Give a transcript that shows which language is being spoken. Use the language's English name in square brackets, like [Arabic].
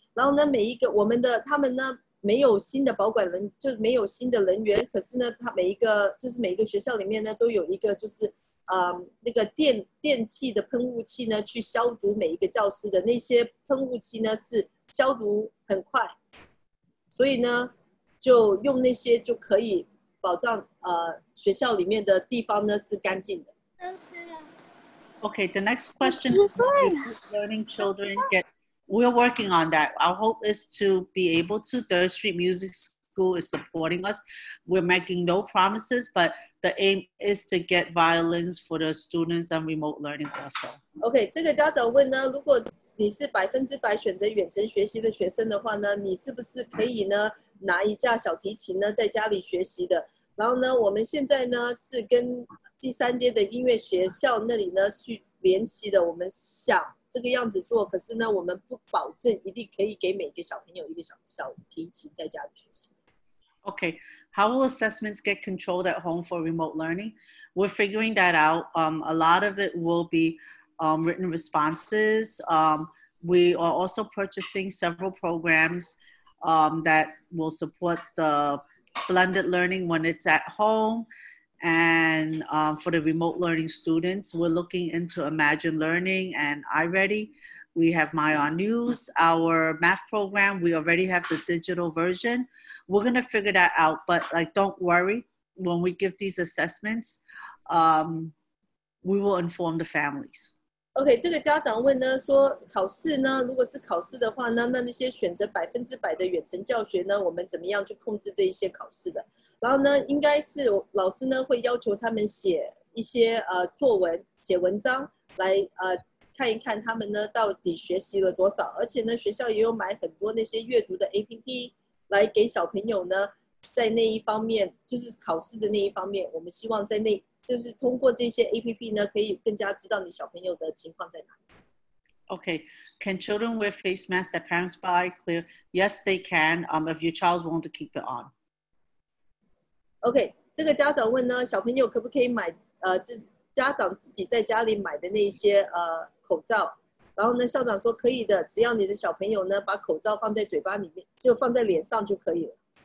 [Chinese] 然后呢每一个我们的他们呢没有新的保管人就是没有新的人员可是呢他每一个就是每一个学校里面呢都有一个就是那个电器的喷雾器呢去消毒每一个教室的那些喷雾器呢是消毒很快所以呢就用那些就可以保障学校里面的地方呢是干净的。 [English] Okay, the next question is learning children get... We're working on that. Our hope is to be able to. Third Street Music School is supporting us. We're making no promises, but the aim is to get violins for the students and remote learning also. [Chinese] Okay, 这个家长问呢，如果你是百分之百选择远程学习的学生的话呢，你是不是可以呢拿一架小提琴呢在家里学习的？然后呢，我们现在呢是跟第三阶的音乐学校那里呢去联系的。我们想。这个样子做，可是呢，我们不保证一定可以给每个小朋友一个小提琴在家里学习。 [English] Okay, how will assessments get controlled at home for remote learning? We're figuring that out. A lot of it will be written responses. We are also purchasing several programs that will support the blended learning when it's at home. And for the remote learning students, we're looking into Imagine Learning and iReady. We have Myon News, our math program. We already have the digital version. We're going to figure that out. But like, don't worry. When we give these assessments, we will inform the families. [Chinese] Okay, 这个家长问呢说考试呢如果是考试的话呢那那些选择百分之百的远程教学呢我们怎么样去控制这一些考试的然后呢应该是老师呢会要求他们写一些作文写文章来看一看他们呢到底学习了多少而且呢学校也有买很多那些阅读的 APP 来给小朋友呢在那一方面就是考试的那一方面我们希望在那就是通过这些 APP 呢可以更加知道你小朋友的情况在哪里。 [English] Okay, can children wear face masks that parents buy clear? Yes, they can, if your child's willing to keep it on. [Chinese] Okay, 这个家长问呢小朋友可不可以买就是家长自己在家里买的那些口罩。然后呢校长说可以的只要你的小朋友呢把口罩放在嘴巴里面就放在脸上就可以了。